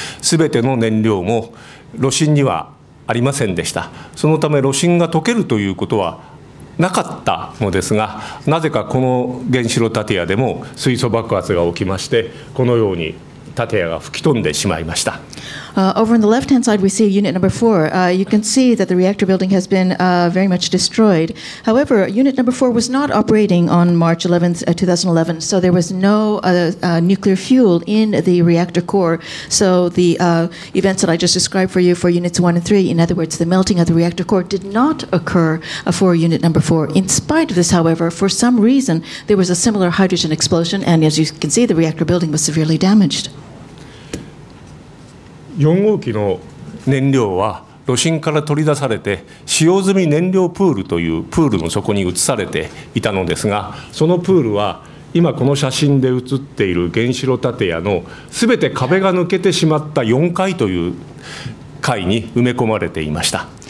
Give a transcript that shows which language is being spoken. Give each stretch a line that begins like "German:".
Japanese: すべての燃料も炉心にはありませんでした。そのため炉心が溶けるということはなかったのですが、なぜかこの原子炉建屋でも水素爆発が起きまして、このように建屋が吹き飛んでしまいました。
English: Over on the left hand side we see unit number 4. You can see that the reactor building has been very much destroyed. However, unit number 4 was not operating on March 11th, 2011, so there was no nuclear fuel in the reactor core. So the events that I just described for you for units 1 and 3, in other words, the melting of the reactor core, did not occur for unit number 4. In spite of this, however, for some reason, there was a similar hydrogen explosion, and as you can see, the reactor building was severely damaged.
Japanese: 4号機の燃料は炉心から取り出されて、使用済み燃料プールというプールの底に移されていたのですが、そのプールは今この写真で写っている原子炉建屋のすべて壁が抜けてしまった4階という階に埋め込まれていました。